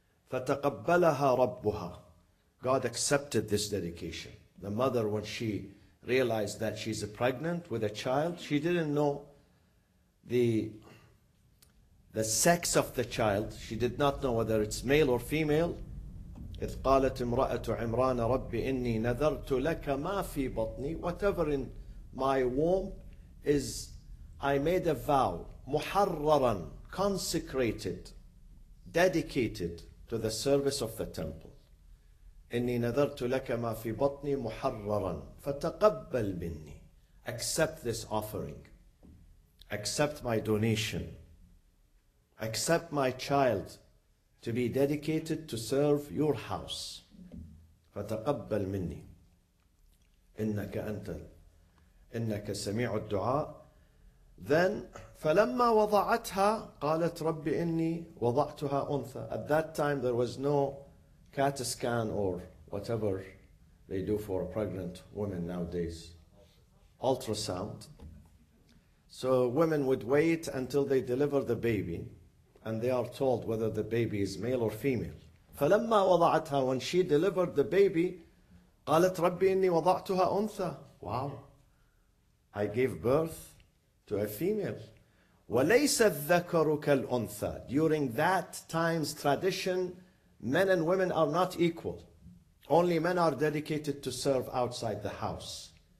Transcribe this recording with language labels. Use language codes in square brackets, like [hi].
[ar] فتقبلها ربها. [en] God accepted this dedication. The mother, when she realized that she's pregnant with a child, she didn't know the sex of the child. She did not know whether it's male or female. [ar] إذ قالت امرأة عمران ربي إني نذرت لك ما في بطني. [en] Whatever in my womb is, I made a vow, محررا, consecrated, dedicated to the service of the temple. [ar] إني نذرت لك ما في بطني محررا فتقبل مني. [en] Accept this offering. Accept my donation. Accept my child to be dedicated to serve your house. [ar] فتقبل مني. إنك أنت إنك سميع الدعاء. [en] Then [ar] فلما وضعتها قالت ربي إني وضعتها أنثى. [en] At that time there was no CAT scan or whatever they do for pregnant women nowadays, ultrasound. So women would wait until they deliver the baby and they are told whether the baby is male or female. [ar] فلما وضعتها, [en] when she delivered the baby, [ar] قالت ربي إني وضعتها أنثى. [en] Wow, I gave birth to a female. [ar] وليس الذكر كالأنثى. [en] During that time's tradition, men and women are not equal. Only men are dedicated to serve outside the house.